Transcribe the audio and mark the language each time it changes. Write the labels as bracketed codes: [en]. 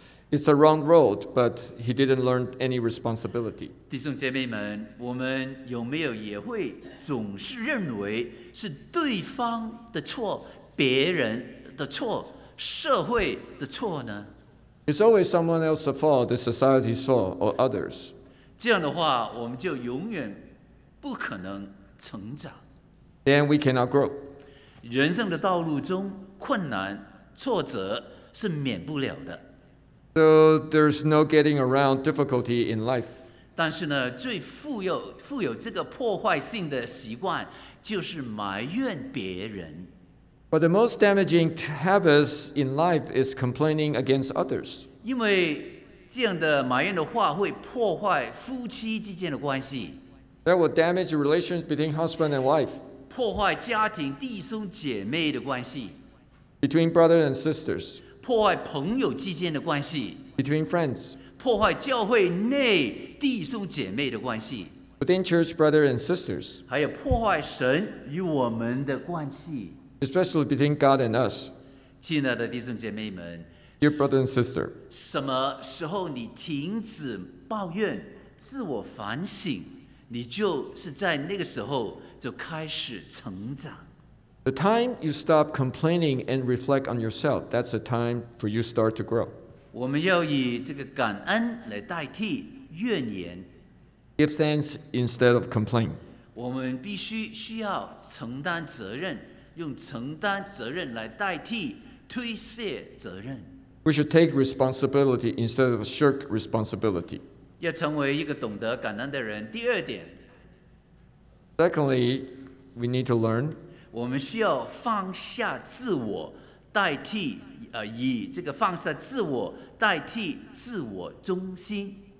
[en] It's the wrong road, but he didn't learn any responsibility. [zh] 弟兄姐妹们，我们有没有也会总是认为是对方的错、别人的错、社会的错呢？ [en] It's always someone else's fault, the society's fault, or others. [zh] 这样的话，我们就永远不可能成长。 [en] Then we cannot grow. [zh] 人生的道路中。困难、挫折是免不了的。 [en] So there's no getting around difficulty in life. [zh] 但是呢，最富有这个破坏性的习惯就是埋怨别人。 [en] But the most damaging habits in life is complaining against others. [zh] 因为这样的埋怨的话会破坏夫妻之间的关系。 [en] That will damage the relations between husband and wife. [zh] 破坏家庭弟兄姐妹的关系。 [en] Between brothers and sisters, [zh] 破坏朋友之间的关系 [en] Between friends, [zh] 破坏教会内弟兄姐妹的关系 [en] Within church, brothers and sisters, [zh] 还有破坏神与我们的关系 [en] Especially between God and us. [zh] 亲爱的弟兄姐妹们 [en] Dear brothers and sisters, [zh] 什么时候你停止抱怨、自我反省，你就是在那个时候就开始成长。 [en] The time you stop complaining and reflect on yourself, that's the time for you start to grow. [zh] 我们要以这个感恩来代替怨言。 [en] Give thanks instead of complain. [zh] 我们必须需要承担责任，用承担责任来代替推卸责任。 [en] We should take responsibility instead of shirk responsibility. [zh] 要成为一个懂得感恩的人，第二点。 [en] Secondly, we need to learn. [zh] 我们需要放下自我，代替以这个放下自我代替自我中心。